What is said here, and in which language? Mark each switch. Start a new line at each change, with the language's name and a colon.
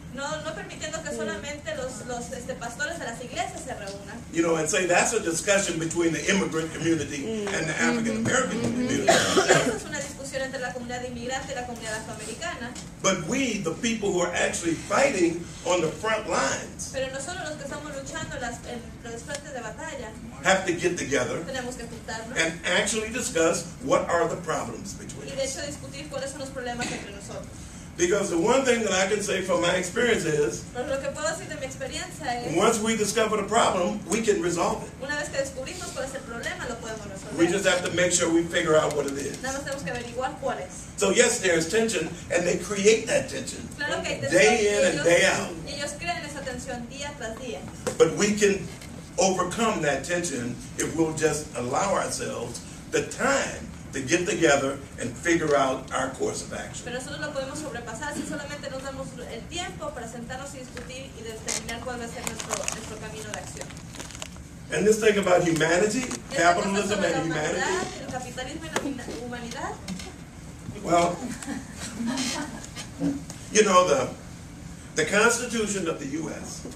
Spanish: No permitiendo que solamente los pastores de las iglesias se reúnan.
English: You know, and say that's a discussion between the immigrant community and the African American community.
Spanish: Es una discusión entre la comunidad inmigrante y la comunidad afroamericana. comunidad inmigrante, la comunidad afroamericana.
English: But we, the people who are actually fighting on the front lines,
Spanish: pero nosotros los que estamos luchando en los frentes de batalla,
English: have to get together,
Spanish: tenemos que juntarnos,
English: and actually discuss what are the problems between
Spanish: y de hecho discutir cuáles son los problemas entre nosotros.
English: Because the one thing that I can say from my experience is,
Spanish: lo que puedo decir de mi experiencia es,
English: once we discover the problem, we can resolve it.
Spanish: Una vez que descubrimos cuál es el problema, lo podemos resolver.
English: We just have to make sure we figure out what it is.
Spanish: Nada más tenemos que averiguar cuál es.
English: So yes, there is tension, and they create that tension,
Spanish: claro que hay
English: day
Spanish: tensión,
English: in and
Spanish: ellos,
English: day out.
Spanish: Y ellos crean esa tensión día tras día.
English: But we can overcome that tension if we'll just allow ourselves the time to get together and figure out our course of action.
Spanish: Pero nosotros lo podemos sobrepasar si solamente nos damos el tiempo para sentarnos y discutir y determinar cuál va a ser nuestro camino de acción.
English: And this thing about humanity, capitalism and humanity.
Spanish: El capitalismo y la humanidad.
English: Well, you know, the Constitution of the U.S.